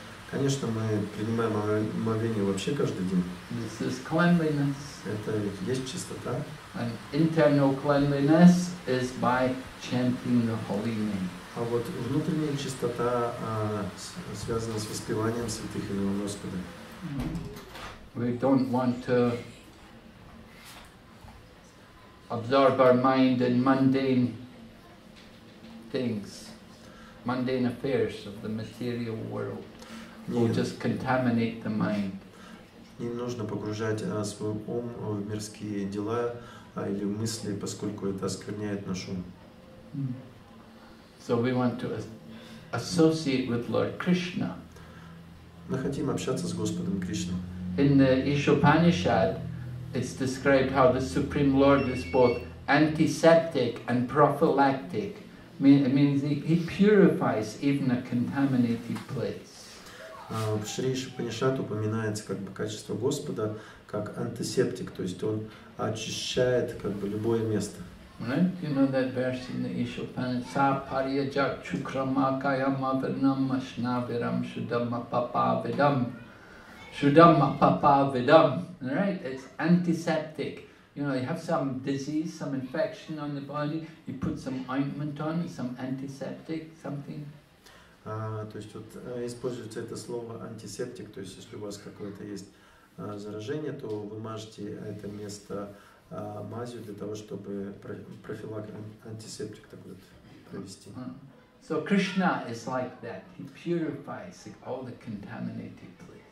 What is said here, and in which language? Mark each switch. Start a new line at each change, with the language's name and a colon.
Russian: Конечно, мы принимаем омовение вообще каждый день.
English: This is cleanliness.
Russian: Это ведь есть чистота.
English: And internal cleanliness is by chanting the holy name.
Russian: А вот внутренняя чистота связана с воспеванием святых имен Господа.
English: We don't want to absorb our mind in mundane things, mundane affairs of the material world. We'll just contaminate the mind.
Russian: Не нужно погружать свой ум в мирские дела или мысли, поскольку это оскверняет наш ум.
English: So we want to associate with Lord Krishna.
Russian: Мы хотим общаться с Господом Кришной.
English: In the Ishopanishad, it's described how the Supreme Lord is both antiseptic and prophylactic. It means he purifies even a contaminated place.
Russian: В Шри Ишопанишад упоминается как бы качество Господа как антисептик, то есть он очищает как бы любое место.
English: Right? You know that verse in the Ishopanishad?
Sanskrit: Sapariyajak chukramakayamavarnam mashnaviram shudamapapavidam. Shudam papa vidam,
English: right? It's antiseptic. You know, you have some disease, some infection on the body, you put some ointment on, some antiseptic, something.
Russian: То есть вот используется это слово антисептик, то есть если у вас какое-то есть заражение, то вы мажете это место мазью для того, чтобы антисептик так вот провести.
English: So Krishna is like that. He purifies all the contaminated places.